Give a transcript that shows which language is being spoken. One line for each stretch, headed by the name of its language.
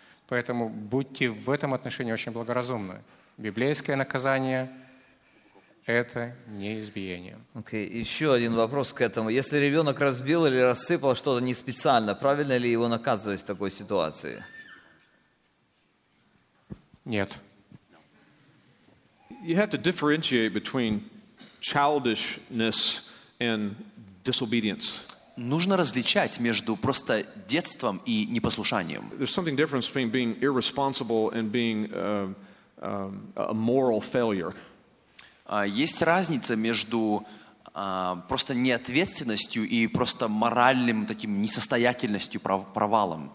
Russian: Поэтому будьте в этом отношении очень благоразумны. Библейское наказание – это не избиение. Okay. Еще один вопрос к этому. Если ребенок разбил или рассыпал что-то не специально, правильно ли его наказывать в такой ситуации? Нет.
English: You have to differentiate between childishness and disobedience.
Russian: Нужно различать между просто детством и непослушанием.
English: There's something different between being irresponsible and being a moral failure.
Russian: Есть разница между просто неответственностью и просто моральным таким несостоятельностью, провалом.